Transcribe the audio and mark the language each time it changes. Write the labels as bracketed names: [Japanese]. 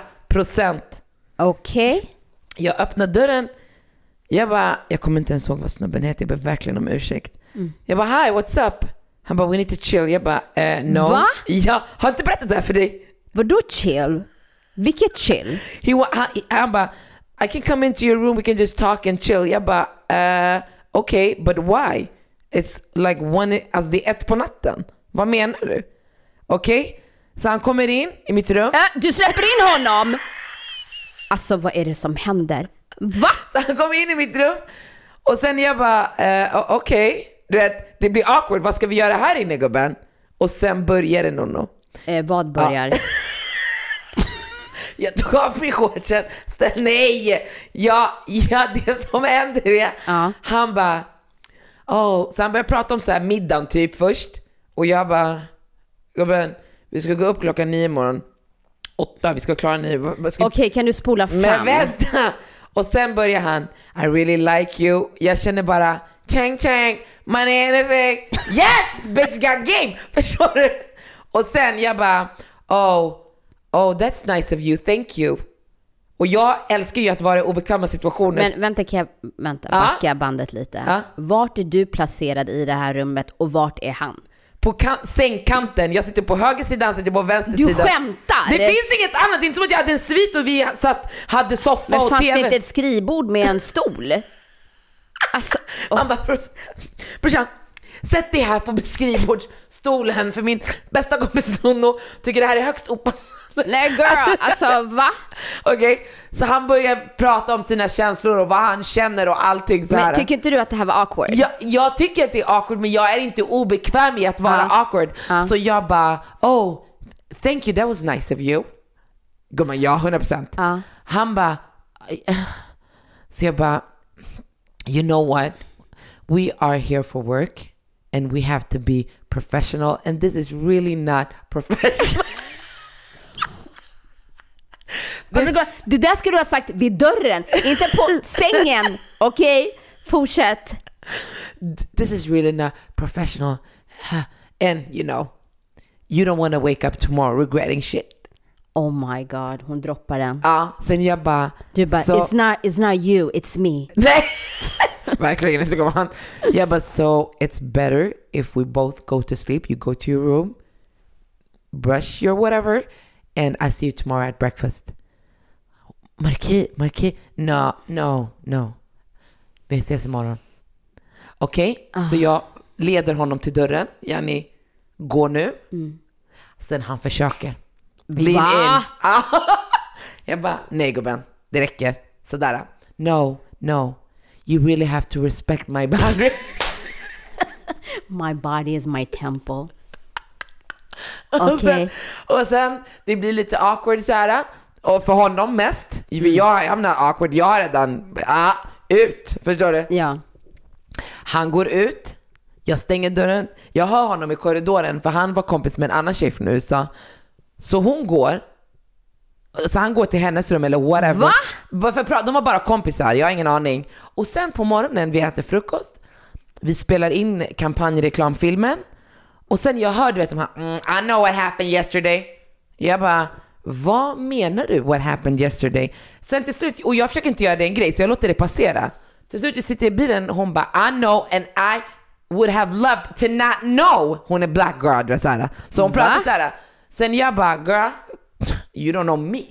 [Swedish] 100%. Okej. Okay. Jag öppnar dörren. Jag bara, jag kommer inte ens ihåg vad snubben heter. Jag ber verkligen om ursäkt. [English] Mm. [Swedish] Jag bara, [English] hi, what's up? [Swedish] Han bara, [English] we need to chill. Jag bara, no. [Swedish] Va? Jag har inte berättat det här för dig. Vadå chill? Vilket chill? Han bara, [English] I can come into your room. We can just talk and chill. [Swedish] Jag bara, [English] okay, but why? It's like one, [Swedish] alltså det är ett på natten. Vad menar du? Okej, okay? Så han kommer in i mitt rum. Du släpper in honom? Alltså, vad är det som händer? Va? Så han kommer in i mitt rum. Och sen jag bara, okej. Okay. Du vet, det blir awkward. Vad ska vi göra här inne, gubben? Och sen börjar det nog. Vad börjar? Ja. Jag tog av mig shortsen. Nej! Ja, det som händer är... Han bara... Oh. Så han börjar prata om så här middagen typ först. Och jag bara... Gubben, vi ska gå upp 9:00 imorgon. 8:00, vi ska klara 9:00. Okej, kan du spola fram? Men vänta! Och sen börjar han... [English] I really like you. [Swedish] Jag känner bara... [English] Chang chang, money anything. Yes, bitch got game. [Swedish] Förstår du? Och sen jag bara, [English] oh, that's nice of you, thank you. [Swedish] Och jag älskar ju att vara i obekväma situationer. Men vänta, backa bandet lite. Vart är du placerad i det här rummet och vart är han? På sängkanten, jag sitter på höger sidan, han sitter på vänster du sidan. Du skämtar? Det finns inget annat, det är inte som att jag hade en svit och vi satt, hade soffa. Men och tv. Men fanns det inte ett skrivbord med en stol? Alltså, han bara, brorsan, sätt dig här på skrivbordsstolen. För min bästa kompis Nonno tycker det här är högst opassande. Nej girl, alltså va? Okej, okay. Så han börjar prata om sina känslor och vad han känner och allting så här. Men tycker inte du att det här var awkward? Jag tycker att det är awkward, men jag är inte obekväm i att vara awkward. Så jag bara, [English] oh, thank you, that was nice of you. [Swedish] Gumman, ja, 100%. Han bara, så jag bara, [English] you know what? We are here for work and we have to be professional and this is really not professional. [Swedish] Det där ska du ha sagt vid dörren, inte på sängen. Okej, okay? Fortsätt. [English] This is really not professional. And you know, you don't want to wake up tomorrow regretting shit. Oh my god, [Swedish] hon droppar den. Ja, sen jag bara, du bara, [English] so, it's not you, it's me. [Swedish] Nej, verkligen inte, kommer han. Jag bara, [English] so it's better if we both go to sleep. You go to your room, brush your whatever, and I see you tomorrow at breakfast. [Swedish] Marquis, no. Vi ses imorgon. Okej, okay? Så jag leder honom till dörren. Jenny, gå nu. Mm. Sen han försöker. Va? Jag bara, nej gubben, det räcker. Sådär. [English] No, you really have to respect my body. My body is my temple. Okay. [Swedish] Och sen det blir lite awkward så här. Och för honom mest. Jag är awkward. Jag är redan ut. Förstår du? Ja. Han går ut. Jag stänger dörren. Jag hör honom i korridoren, för han var kompis med en annan tjej från USA. Så hon går. Så han går till hennes rum eller whatever. Va? De var bara kompisar. Jag har ingen aning. Och sen på morgonen vi äter frukost. Vi spelar in kampanjreklamfilmen. Och sen jag hörde, vet du, [English] I know what happened yesterday. [Swedish] Jag bara, vad menar du [English] what happened yesterday? [Swedish] Sen till slut, och jag försöker inte göra det en grej, så jag låter det passera. Till slut vi sitter i bilen och hon bara, [English] I know and I would have loved to not know. [Swedish] Hon är black girl, så hon pratar så här. Sen jag bara, [English] girl, you don't know me.